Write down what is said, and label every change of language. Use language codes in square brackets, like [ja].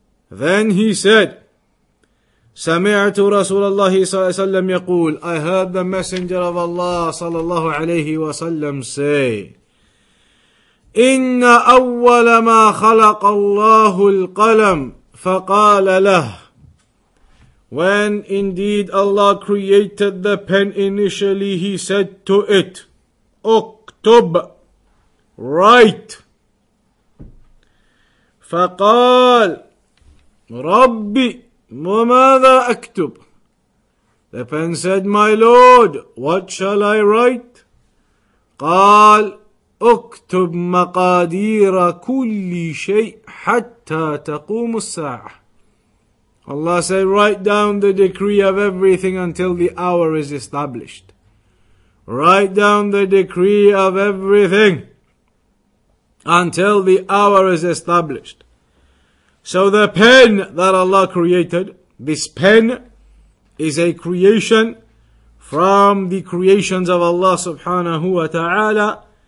[en] Then he said, [ar] سمعت رسول الله صلى الله عليه وسلم يقول, [en] I heard the messenger of Allah [ar] صلى الله عليه وسلم [en] say, [ar] إن أول ما خلق الله القلم فقال له, [en] when indeed Allah created the pen initially, he said to it, [ar] اكتب, [en] write. [ar] فقال ربي وماذا اكتب. [en] The pen said, my lord, what shall I write? [ar] قال اكتب مقادير كل شيء حتى تقوم الساعة. [en] Allah said, write down the decree of everything until the hour is established. Write down the decree of everything until the hour is established. So the pen that Allah created, this pen is a creation from the creations of Allah subhanahu wa ta'ala.